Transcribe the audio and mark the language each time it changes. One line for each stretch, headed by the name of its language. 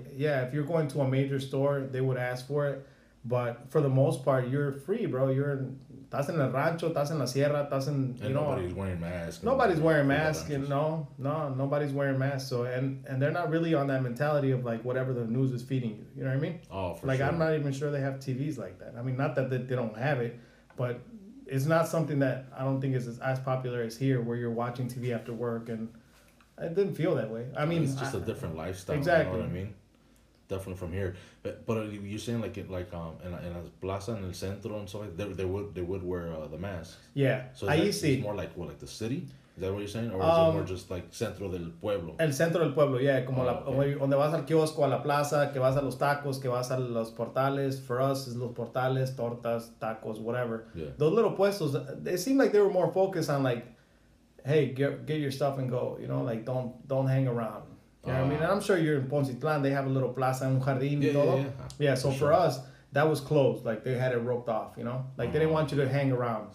English: Yeah, if you're going to a major store, they would ask for it. But for the most part, you're free, bro.
Spanish: Estás en el rancho, estás en la sierra, estás en,
English: you know. Nobody's wearing masks. Nobody's wearing masks. So, and they're not really on that mentality of, like, whatever the news is feeding you. You know what I mean? Oh, for sure. Like, I'm not even sure they have TVs like that. I mean, not that they don't have it, but... It's not something that I don't think is as popular as here, where you're watching TV after work, and it didn't feel that way. I mean, it's just a different lifestyle. Exactly. You know what I mean? Definitely from here. But you're saying like in a plaza in
Spanish: el centro
English: and so like, they would wear the mask. Yeah.
Spanish: So ahí sí.
English: It's more like what, like the city? Is that what you're saying? Or is it more just like
Spanish: centro del pueblo? El centro del pueblo,
English: yeah.
Spanish: Como donde vas al kiosco, a la plaza, que vas a los tacos, que vas a los portales.
English: For us, it's
Spanish: los portales,
English: tortas, tacos, whatever. Yeah. Those little puestos, it seemed like they were more focused on like, hey, get your stuff and go, you know, like don't hang around. You know what I mean? And I'm sure you're in Poncitlán, they have a little plaza,
Spanish: un jardín y todo.
English: Yeah, so for us... That was closed, like they had it roped off, you know? Like they didn't want you to hang around.